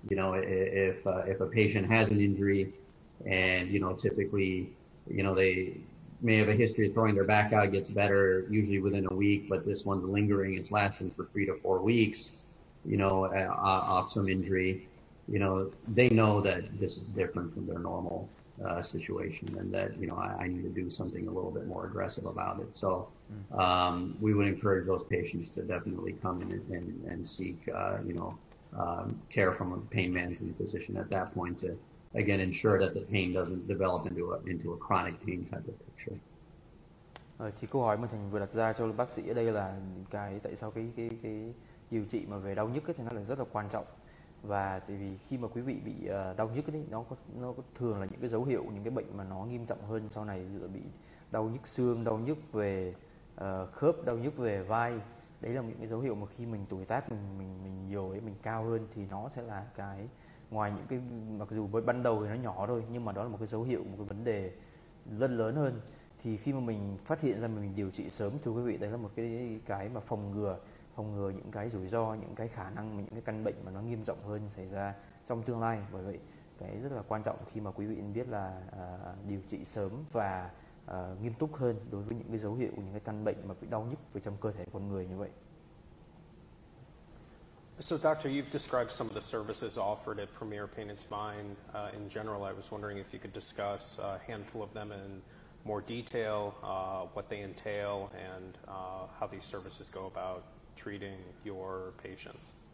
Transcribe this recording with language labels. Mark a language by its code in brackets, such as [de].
[en] You know, if a patient has an injury, and you know, typically, you know, they may have a history of throwing their back out, gets better usually within a week, but this one's lingering, it's lasting for 3 to 4 weeks, you know, off some injury, you know, they know that this is different from their normal situation, and that, you know, I need to do something a little bit more aggressive about it. So we would encourage those patients to definitely come in and seek, you know, care from a pain management physician at that point to, again, ensure that the pain doesn't develop into a chronic pain type of picture. [vi] Thì câu hỏi mà thành vừa đặt ra cho bác sĩ ở đây là cái tại sao cái điều trị mà về đau nhức thì nó là rất là quan trọng, và tại vì khi mà quý vị bị đau nhức thì nó thường là những cái dấu hiệu những cái bệnh mà nó nghiêm trọng hơn sau này, ví dụ bị đau nhức xương, đau nhức về khớp, đau nhức về vai, đấy là những cái dấu hiệu mà khi mình tuổi tác mình nhiều ấy, mình cao hơn thì nó sẽ là cái, ngoài những cái mặc dù ban đầu thì nó nhỏ thôi nhưng mà đó là một cái dấu hiệu, một cái vấn đề rất lớn hơn. Thì khi mà mình phát hiện ra mình điều trị sớm, thưa quý vị, đấy là một cái mà phòng ngừa những cái rủi ro, những cái khả năng mà những cái căn bệnh mà nó nghiêm trọng hơn xảy ra trong tương lai. Bởi vậy cái rất là quan trọng khi mà quý vị biết là điều trị sớm và nghiêm túc hơn đối với những cái dấu hiệu, những cái căn bệnh mà bị đau nhức về trong cơ thể con người như vậy. [en] So, Doctor, you've described some of the services offered at Premier Pain and Spine in general. I was wondering if you could discuss a handful of them in more detail, what they entail, and how these services go about treating your patients.